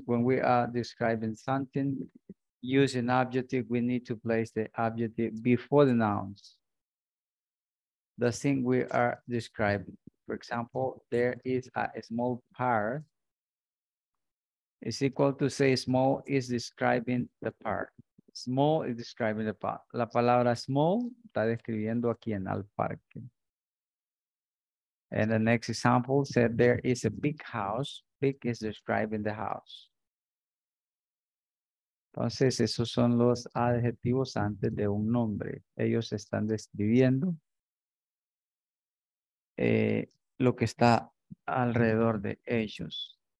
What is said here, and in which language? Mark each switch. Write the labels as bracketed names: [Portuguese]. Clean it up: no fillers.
[English] When we are describing something, use an adjective, we need to place the adjective before the nouns. The thing we are describing. For example, there is a small part. It's equal to say small is describing the part. Small is describing the part. [Spanish] La palabra small está describiendo aquí en el parque. [English] And the next example said there is a big house. Big is describing the house. [Spanish] Entonces, esos son los adjetivos antes de un nombre. Ellos están describiendo lo que está alrededor de ellos.